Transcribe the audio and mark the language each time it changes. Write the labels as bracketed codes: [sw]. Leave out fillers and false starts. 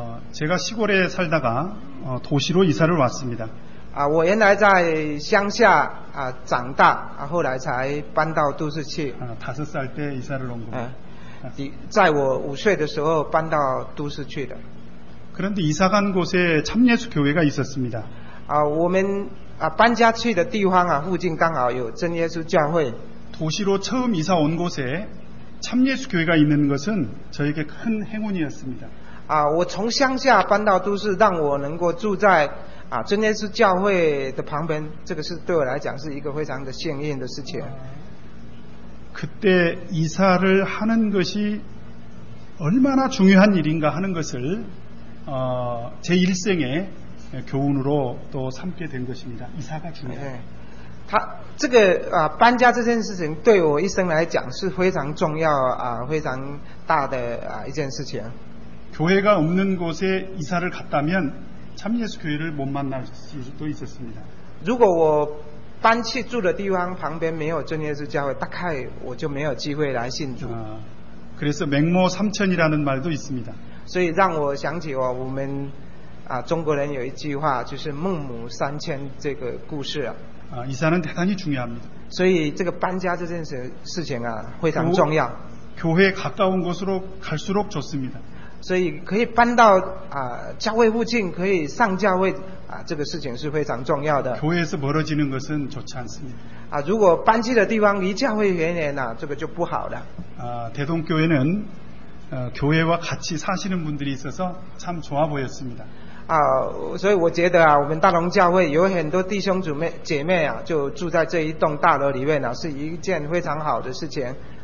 [ko] 제가시골에살다가도시로이사를왔습니다 [zh] 我原来在乡下长大后来才搬到都市去 [ko] 5살때이사를온거예 [zh] 요在我5岁的时候搬到都市去的 [ko] 그런데이사간곳에참예수교회가있었습니다 [zh] 我们啊、搬家去的地方、啊、附近刚好有真耶稣教会 [ko] 도시로처음이사온곳에참예수교회가있는것은저에게큰행운이었습니다、 [zh] 啊、我从乡下搬到都市让我能够住在、啊、真耶稣教会的旁边这个是对我来讲是一个非常的幸运的事情 [ko] 그때이사를하는것이얼마나중요한일인가하는것을제일생에교훈으로또삼게된것입니다이사가중요해요 [zh] 他这个啊搬家这件事情对我一生来讲是非常重要啊非常大的啊一件事情 [ko] 교회가없는곳에이사를갔다면참예수교회를못만날수도있었습니다 [zh] 如果我搬去住的地方旁边没有真耶稣教会大概我就没有机会来信主 [ko] 그래서맹모삼천이라는말도있습니다 [zh] 所以让我想起我们啊、中国人有一句话就是孟母三迁这个故事 [ko] 이사는대단히중요합니다 [zh] 所以这个搬家这件事情、啊、非常重要 [ko] 교회에가까운곳으로갈수록좋습니다 [zh] 所以可以搬到、啊、教会附近可以上教会、啊、这个事情是非常重要的 [ko] 교회에서멀어지는것은좋지않습니다、 [zh] 啊、如果搬去的地方离教会远远、啊、这个就不好了、 [ko] 대동교회는교회와같이사시는분들이있어서참좋아보였습니다 [zh] 啊、所以我觉得啊我们大龙教会有很多弟兄姐妹啊就住在这一栋大楼里面啊是一件非常好的事情